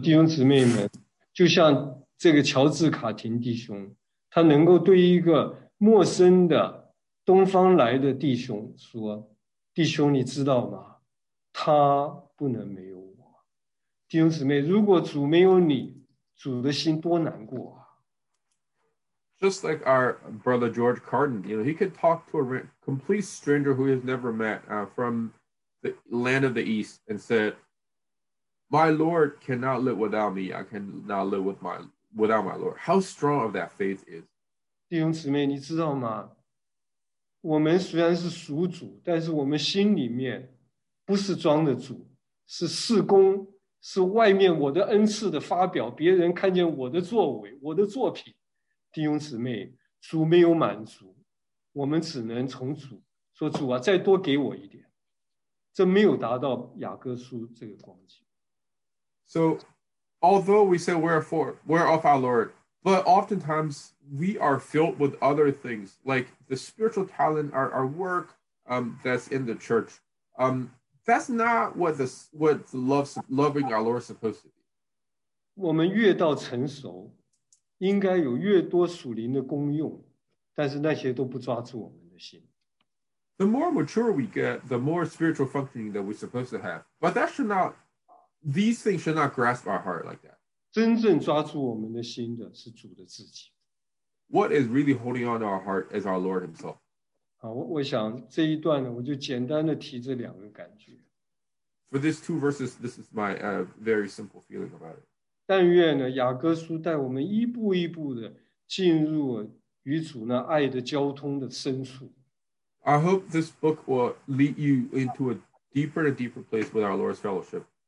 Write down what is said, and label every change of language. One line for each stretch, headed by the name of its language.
Chinese: 弟兄姊妹们, 就像这个乔治卡廷弟兄, 他能够对一个陌生的东方来的弟兄说, 弟兄你知道吗? 他不能没有我。弟兄姊妹, 如果主没有你, 主的心多难过。
English: Just like our brother George Carden, you know, he could talk to a complete stranger who he has never met from the land of the East and said, my Lord cannot live without me. I cannot live without my Lord. How strong of that faith is.
Chinese: 弟兄姊妹,你知道吗? 我们虽然是属主, 但是我们心里面不是装的主, 是事工, 是外面我的恩赐的发表, 别人看见我的作为, 我的作品。弟兄姊妹, 主没有满足, 我们只能从主说主啊, 再多给我一点, 这没有达到雅各书这个光景。
English: So, although we say we're of our Lord, but oftentimes we are filled with other things, like the spiritual talent, our work that's in the church. That's not what loving our Lord is supposed to be.
Chinese: 我们越到成熟, 应该有越多属灵的功用, 但是那些都不抓住我们的心。
English: The more mature we get, the more spiritual functioning that we're supposed to have. But that should not, these things should not grasp our heart like that.
Chinese: 真正抓住我们的心的是主的自己。
English: What is really holding on to our heart is our Lord himself.
Chinese: 好，我想这一段呢，我就简单的提这两个感觉。
English: For these two verses, this is my very simple feeling about it.
Chinese: 但愿呢，雅各书带我们一步一步的进入与主那爱的交通的深处。
English: I hope this book will lead you into a deeper and deeper place with our Lord's fellowship.